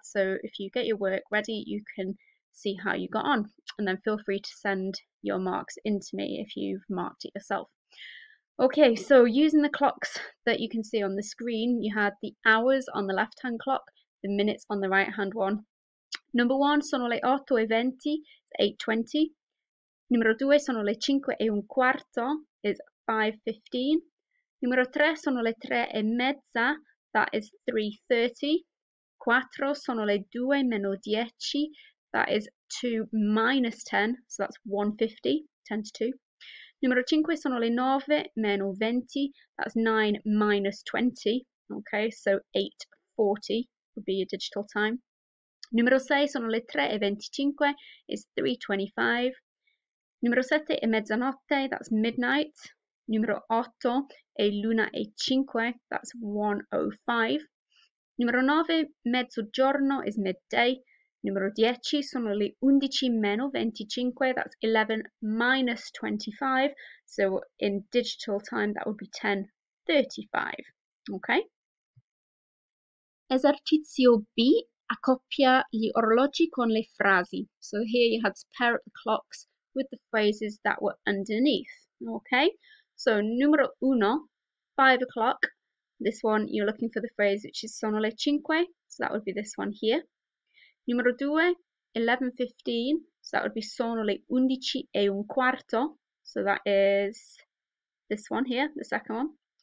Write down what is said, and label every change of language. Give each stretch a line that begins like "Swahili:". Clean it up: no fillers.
English: So if you get your work ready, you can see how you got on, and then feel free to send your marks in to me if you've marked it yourself. Okay, so using the clocks that you can see on the screen, you had the hours on the left-hand clock, the minutes on the right-hand one. Number one,
Italian: sono le 8 e 20, 8:20. Numero due, sono le 5 e un quarto,
English: is 5:15.
Italian: Numero tre, sono le 3 e mezza,
English: that is 3:30.
Italian: Quattro, sono le 2 meno 10,
English: that is 2 minus 10, so that's 1:50, 10 to 2.
Italian: Numero 5 sono le 9 meno 20,
English: that's 9 minus 20, okay, so 8:40 would be your digital time.
Italian: Numero 6 sono le 3 e 25,
English: is 3:25.
Italian: Numero 7 è mezzanotte,
English: that's midnight.
Italian: Numero 8 è l'una e 5,
English: that's 1:05.
Italian: Numero 9, mezzogiorno,
English: is midday.
Italian: Numero 10 sono le 11 meno 25,
English: that's 11 minus 25. So in digital time, that would be 10:35. Okay.
Italian: Esercizio B, accoppia gli orologi con le frasi.
English: So here you had to pair up the clocks with the phrases that were underneath. Okay. So numero 1, 5 o'clock. This one, you're looking for the phrase which is
Italian: sono le 5.
English: So that would be this one here. Numero due, 11:15, so that would be
Italian: sono le undici e un quarto,
English: so that is this one here, the second one.